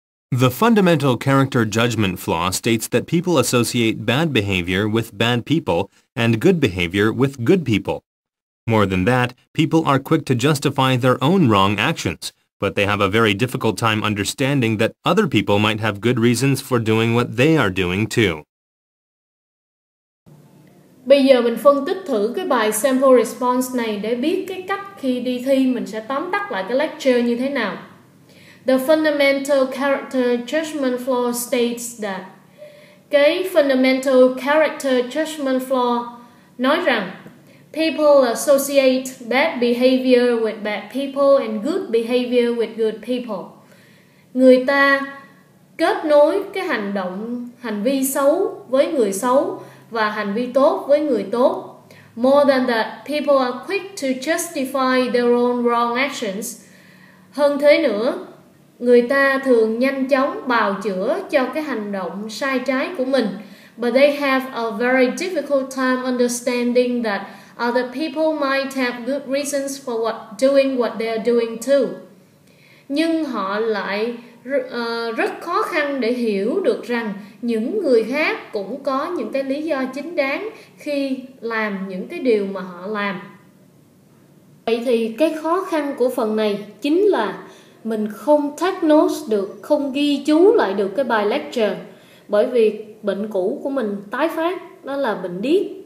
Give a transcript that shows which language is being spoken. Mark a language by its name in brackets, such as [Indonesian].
[English] The fundamental character judgment flaw states that people associate bad behavior with bad people and good behavior with good people. More than that, people are quick to justify their own wrong actions, but they have a very difficult time understanding that other people might have good reasons for doing what they are doing too. [Vietnamese] Bây giờ mình phân tích thử cái bài sample response này để biết cái cách khi đi thi mình sẽ tóm tắt lại cái lecture như thế nào. [English] The fundamental character judgment flaw states that. Cái fundamental character judgment flaw [Vietnamese] nói rằng [English] people associate bad behavior with bad people and good behavior with good people. [Vietnamese] Người ta kết nối cái hành vi xấu với người xấu và hành vi tốt với người tốt. [English] More than that, people are quick to justify their own wrong actions. [Vietnamese] Hơn thế nữa, người ta thường nhanh chóng bào chữa cho cái hành động sai trái của mình. [English] But they have a very difficult time understanding that other people might have good reasons for doing what they are doing too. [Vietnamese] Nhưng họ lại rất khó khăn để hiểu được rằng những người khác cũng có những cái lý do chính đáng khi làm những cái điều mà họ làm. Vậy thì cái khó khăn của phần này chính là mình không take notes được, không ghi chú lại được cái bài lecture, bởi vì bệnh cũ của mình tái phát, đó là bệnh điếc.